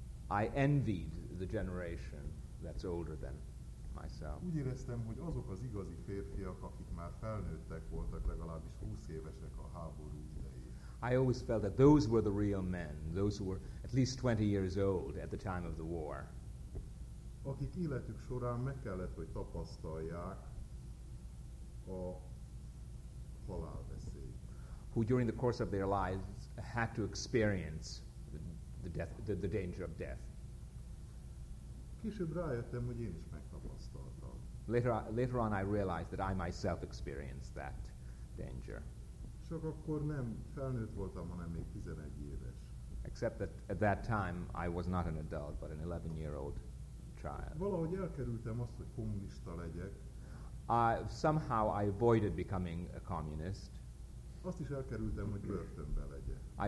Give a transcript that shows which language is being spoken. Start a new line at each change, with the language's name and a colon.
English: I envied the generation that's older than myself.
Hungarian: Úgy éreztem, hogy azok az igazi férfiak, akik már felnőttek voltak, legalábbis 20 évesek a háború idején.
English: I always felt that those were the real men, those who were at least 20 years old at the time of the war.
Hungarian: Akik életük során meg kellett, hogy tapasztalják a halálveszélyt.
English: Who during the course of their lives had to experience the danger of death.
Hungarian: Később rájöttem, hogy én is megtapasztaltam.
English: Later on I realized that I myself experienced that danger.
Hungarian: Csak akkor nem felnőtt voltam, hanem még 11 éves.
English: Except that at that time I was not an adult, but an 11-year-old child.
Hungarian: Valahogy elkerültem azt, hogy kommunista legyek.
English: Somehow I avoided becoming a communist.
Hungarian: Azt is elkerültem, hogy börtönbe legyek.